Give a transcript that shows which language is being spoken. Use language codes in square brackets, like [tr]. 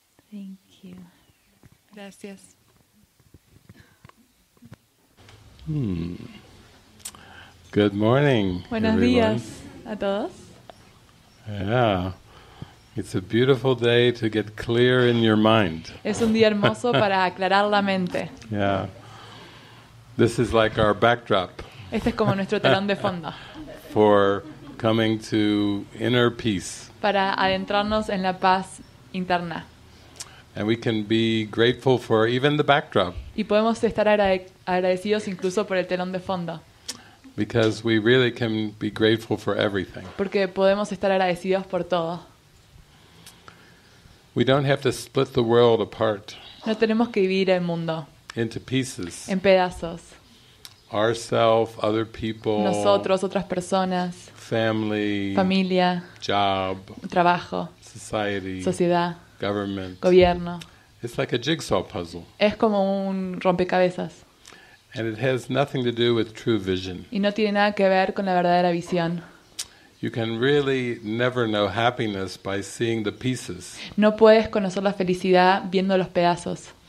[en] Thank you. [es] Gracias. [en] Good morning. [es] Buenos días a todos. [en] Yeah. It's a beautiful day to get clear in your mind. [es] Es un día hermoso para aclarar la mente. [en] Yeah. This is like our backdrop. [es] Este es como nuestro telón de fondo. [en] For coming to inner peace. [es] Para adentrarnos en la paz interna. [en] And we can be grateful for even the backdrop. [es] Y podemos estar agradecidos incluso por el telón de fondo. [en] Because we really can be grateful for everything. [es] Porque podemos estar agradecidos por todo. [en] We don't have to split the world apart. [es] No tenemos que dividir el mundo. [en] Into pieces. [es] En pedazos. [en] Ourselves, other people. [es] Nosotros, otras personas. [en] Family. [es] Familia. [en] Job. [es] Trabajo. [en] Society. [es] Sociedad. [en] Government. [es] Gobierno. [en] It's like a jigsaw puzzle. [es] Es como un rompecabezas. [en] And it has nothing to do with true vision. [es] Y no tiene nada que ver con la verdadera visión. [en] You can really never know happiness by seeing the pieces. [es] No puedes conocer la felicidad viendo los pedazos.